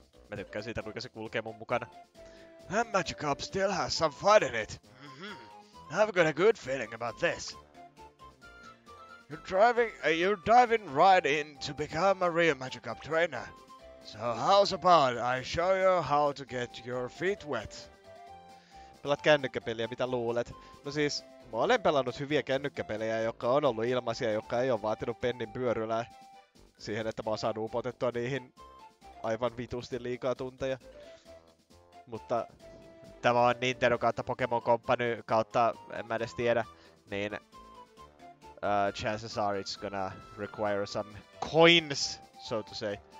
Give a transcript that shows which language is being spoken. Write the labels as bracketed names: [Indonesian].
[Finnish] Mä tykkään siitä, kuinka se kulkee mun mukana. [English] That Magikarp still has some fight in it. Mm-hmm. I've got a good feeling about this. You're diving right in to become a real Magikarp trainer. So how's about I show you how to get your feet wet? [Finnish] Pelaat kännykkäpeliä, mitä luulet? No siis, mä olen pelannut hyviä kännykkäpelejä, jotka on ollut ilmaisia, jotka ei ole vaatinut pennin pyörylää. Siihen, että mä oon saanut upotettua niihin aivan vitusti liikaa tunteja. Mutta tämä on Nintendo kautta Pokemon Company kautta, en mä edes tiedä, niin [English] chances are it's gonna require some coins, so to say.